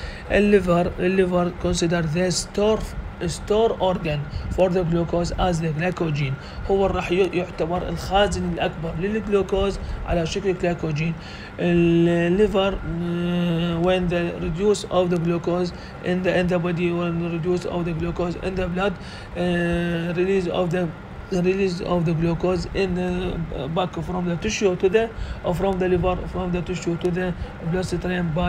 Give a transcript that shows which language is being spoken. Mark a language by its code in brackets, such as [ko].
[en] الليفر consider the store organ for the glucose as the glycogen. [ar] هو راح يعتبر الخازن الأكبر للجلوكوز على شكل glycogen. [en] الليفر when the reduce of the glucose in the body when the reduce of the glucose in the blood release of the glucose in the back from the tissue to the from the liver from the tissue to the bloodstream